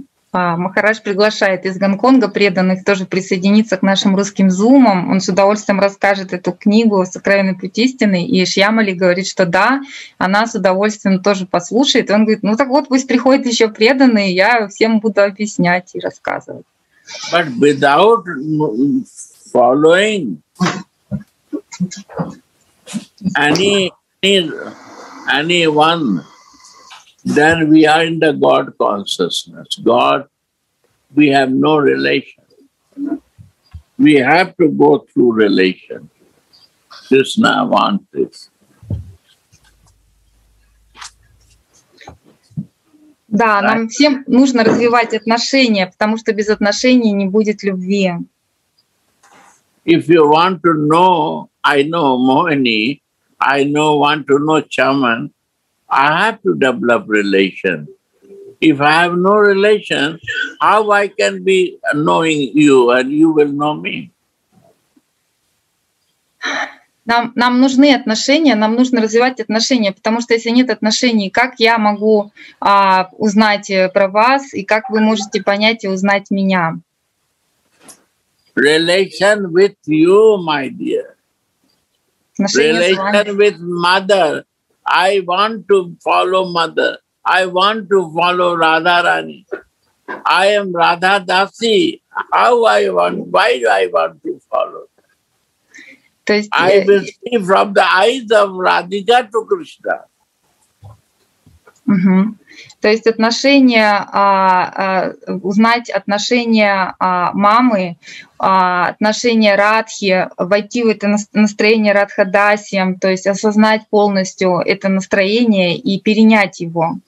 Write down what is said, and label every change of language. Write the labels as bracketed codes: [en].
[ru] Махарадж приглашает из Гонконга преданных тоже присоединиться к нашим русским зумам. Он с удовольствием расскажет эту книгу «Сокровенный путь истины». И Шьямали говорит, что да, она с удовольствием тоже послушает. И он говорит, ну так вот, пусть приходят еще преданные, я всем буду объяснять и рассказывать. [en] But without following anyone, then we are in the God consciousness. God, we have no relation. We have to go through relation. Krishna wants this. Да, right? [ru] Нам всем нужно развивать отношения, потому что без отношений не будет любви. [en] If you want to know, I know Mohini, I know, want to know Chaman, I have to develop relation. If I have no relation, how I can be knowing you and you will know me? [ru] Нам нужны отношения, нам нужно развивать отношения, потому что если нет отношений, как я могу узнать про вас и как вы можете понять и узнать меня? [en] Relation with you, my dear. Relation with mother. I want to follow mother. I want to follow Radharani. I am Radha Dasi. How I want, why do I want to follow? [ru] То есть, [en] I will see from the eyes of Radhika to Krishna. [ru] Угу. То есть отношения, узнать отношения мамы, отношения Радхи, войти в это настроение Радхадасиям, то есть осознать полностью это настроение и перенять его.